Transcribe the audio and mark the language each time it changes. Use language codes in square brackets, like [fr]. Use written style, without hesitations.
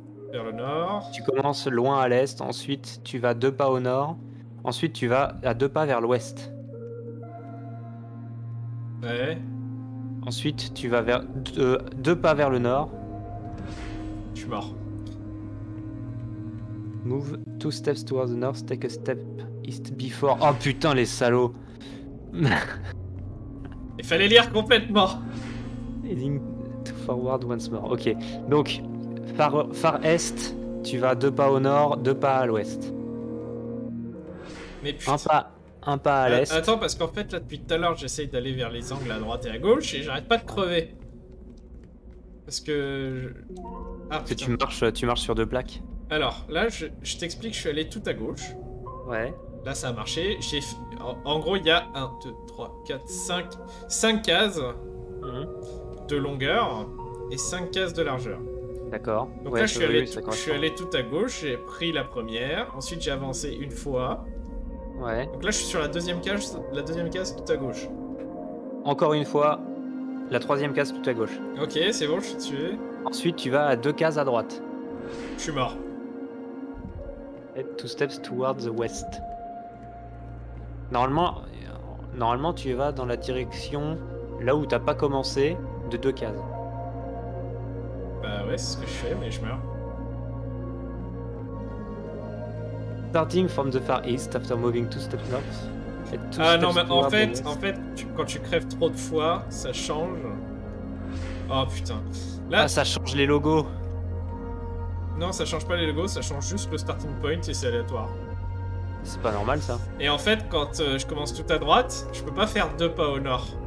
[fr] Vers le nord. Tu commences loin à l'est, ensuite tu vas deux pas au nord, ensuite tu vas à deux pas vers l'ouest. Ouais. Ensuite tu vas vers deux pas vers le nord. Je suis mort. [en] Move two steps towards the north, take a step east before. [fr] Oh putain, les salauds! Il fallait lire complètement! [en] Heading forward once more. [fr] Ok, donc. Far est, tu vas deux pas au nord, deux pas à l'ouest. Mais putain. Un pas à l'est. Attends, parce qu'en fait, là, depuis tout à l'heure, j'essaye d'aller vers les angles à droite et à gauche, et j'arrête pas de crever. Parce que... Parce que tu marches sur deux plaques. Alors, là, je t'explique, je suis allé tout à gauche. Ouais. Là, ça a marché. En gros, il y a 1, 2, 3, 4, 5... 5 cases de longueur et 5 cases de largeur. D'accord. Donc ouais, là, je suis allé tout à gauche, j'ai pris la première, ensuite j'ai avancé une fois. Ouais. Donc là, je suis sur la deuxième case tout à gauche. Encore une fois, la troisième case tout à gauche. Ok, c'est bon, je suis tué. Ensuite, tu vas à deux cases à droite. Je suis mort. Et [en] two steps towards the west. [fr] Normalement, tu vas dans la direction là où t'as pas commencé de deux cases. Bah ouais, c'est ce que je fais, mais je meurs. [en] Starting from the far east after moving two steps north. [fr] En fait, quand tu crèves trop de fois, ça change. Oh putain. Là, ça change les logos. Non, ça change pas les logos, ça change juste le starting point et c'est aléatoire. C'est pas normal ça. Et en fait, quand je commence tout à droite, je peux pas faire deux pas au nord.